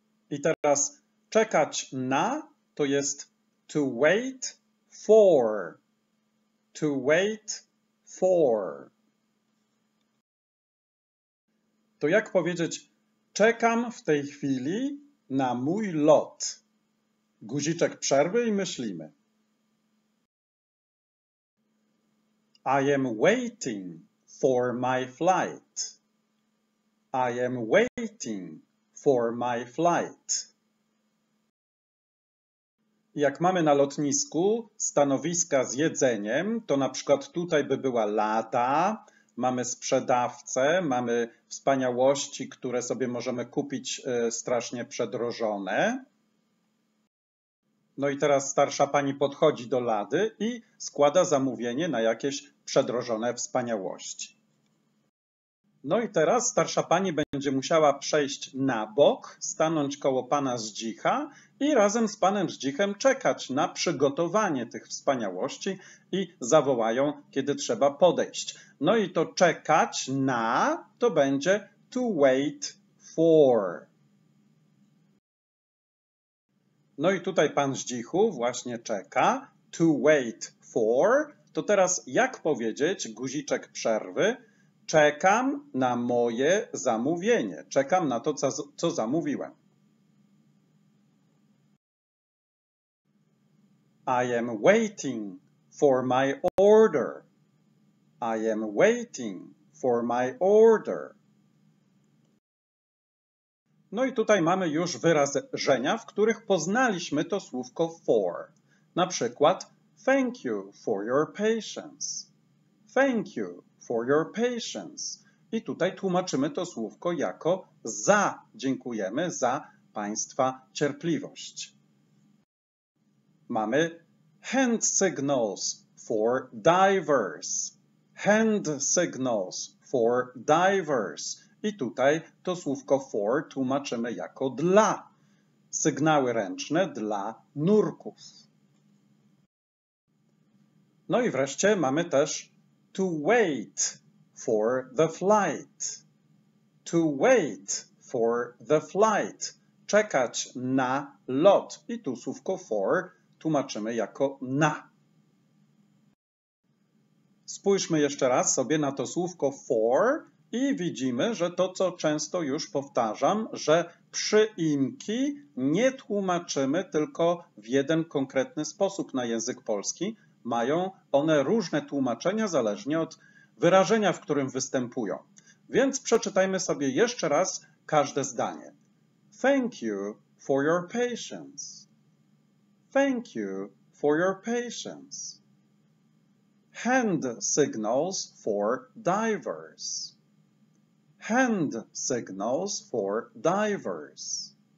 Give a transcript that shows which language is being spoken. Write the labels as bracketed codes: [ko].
[pl] I teraz czekać na to jest [en] to wait for. To wait for. [pl] To jak powiedzieć czekam w tej chwili na mój lot. Guziczek przerwy i myślimy. [en] I am waiting for my flight. I am waiting for my flight. [pl] Jak mamy na lotnisku stanowiska z jedzeniem, to na przykład tutaj by była lada, mamy sprzedawcę, mamy wspaniałości, które sobie możemy kupić strasznie przedrożone. No i teraz starsza pani podchodzi do lady i składa zamówienie na jakieś przedrożone wspaniałości. No i teraz starsza pani będzie musiała przejść na bok, stanąć koło pana Żdzicha i razem z panem Żdzichem czekać na przygotowanie tych wspaniałości i zawołają, kiedy trzeba podejść. No i to czekać na to będzie [en] to wait for. [pl] No i tutaj pan Żdzichu właśnie czeka [en] to wait for. [pl] To teraz jak powiedzieć guziczek przerwy? Czekam na moje zamówienie. Czekam na to, co zamówiłem. [en] I am waiting for my order. I am waiting for my order. [pl] No i tutaj mamy już wyrażenia, w których poznaliśmy to słówko for. Na przykład [en] thank you for your patience. Thank you for your patience. [pl] I tutaj tłumaczymy to słówko jako za. Dziękujemy za Państwa cierpliwość. Mamy [en] hand signals for divers. Hand signals for divers. [pl] I tutaj to słówko for tłumaczymy jako dla. Sygnały ręczne dla nurków. No i wreszcie mamy też [en] to wait for the flight. To wait for the flight. [pl] Czekać na lot. I tu słówko for tłumaczymy jako na. Spójrzmy jeszcze raz sobie na to słówko for i widzimy, że to, co często już powtarzam, że przyimki nie tłumaczymy tylko w jeden konkretny sposób na język polski. Mają one różne tłumaczenia zależnie od wyrażenia, w którym występują. Więc przeczytajmy sobie jeszcze raz każde zdanie. [en] Thank you for your patience. Thank you for your patience. Hand signals for divers. Hand signals for divers.